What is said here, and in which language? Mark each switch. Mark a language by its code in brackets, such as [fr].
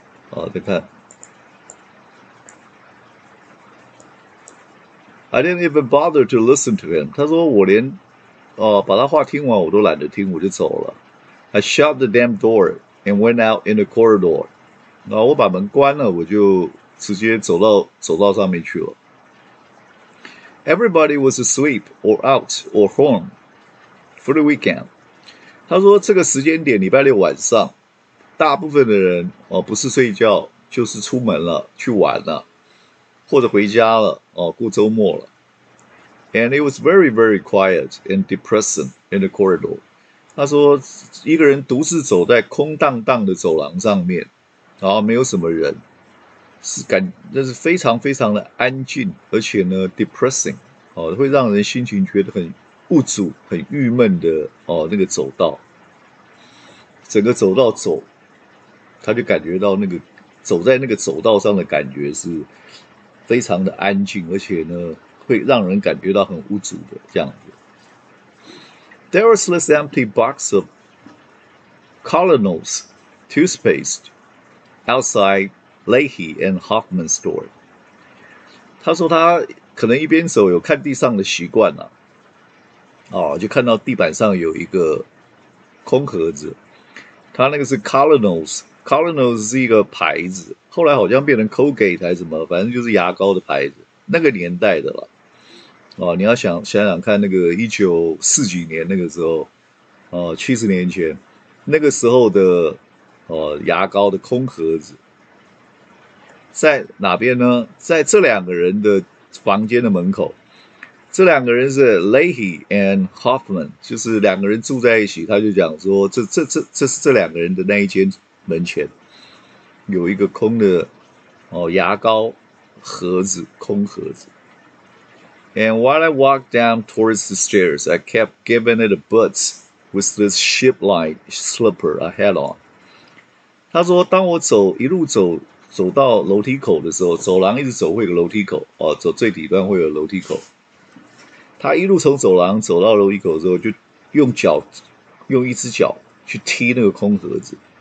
[zh] 好、啊、再看， [en] I didn't even bother to listen to him. [zh] 他说我连、把他话听完我都懒得听，我就走了。 [en] I shut the damn door and went out in the corridor. [zh] 然后我把门关了，我就直接走到上面去了。 [en] Everybody was asleep or out or home for the weekend. [zh] 他说这个时间点礼拜六晚上，大部分的人、不是睡觉就是出门了，去玩了。或者回家了、哦、过周末了。 [en] And it was very very quiet and depressing in the corridor. [zh] 他说一个人独自走在空荡荡的走廊上面，然后没有什么人，是感那是非常非常的安静，而且呢 depressing、哦、会让人心情觉得很无助很郁闷的、哦、那个走道，整个走道走他就感觉到那个走在那个走道上的感觉是非常的安静，而且呢会让人感觉到很无助的这样子。 [en] There was this empty box of Colonel's toothpaste outside Leahy and Hoffman's store. [zh] 他说他可能一边走有看地上的习惯啊，就看到地板上有一个空盒子，他那个是 Colonel's 是一个牌子，后来好像变成 Colgate 还是什么，反正就是牙膏的牌子，那个年代的了。你要想想看，那个1940几年那个时候，70年前那个时候的牙膏的空盒子在哪边呢？在这两个人的房间的门口。这两个人是 Leahy and Hoffman， 就是两个人住在一起，他就讲说这是这两个人的那一间门前有一个空的牙膏盒子，空盒子。 [en] And while I walked down towards the stairs, I kept giving it a butt with this ship-like slipper I had on. [zh] 他说当我走到楼梯口的时候，走廊一直走会有楼梯口，走最底端会有楼梯口，他一路从走廊走到楼梯口之后，就用一只脚去踢那个空盒子。